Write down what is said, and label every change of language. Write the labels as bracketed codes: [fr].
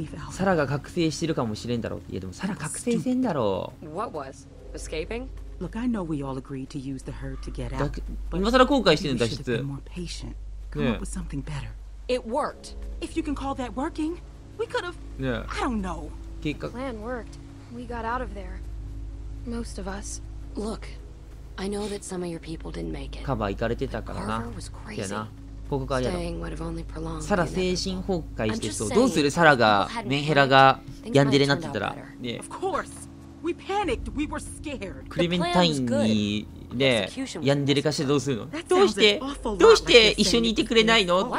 [ja] サラが覚醒してるかもしれんだろう。いやでもサラ覚醒せんだろう。 [en] What was escaping? Look, I know we all agreed to use the herd to get out. But we should have been more patient. Come up with something better. It worked. If you can call that working, we could have. Yeah. I don't know. The plan worked. We got out of there. Most of us. Look, I know that some of your people didn't make it. [ja] カバー行かれてたからな。いやな。ここからやろ。サラ精神崩壊してそう。どうする？サラがメンヘラがヤンデレになってたら。 [en] Of course. We panicked. We were scared. [ja] クレメンタインにね、ヤンデレ化してどうするの？どうして、どうして一緒にいてくれないの？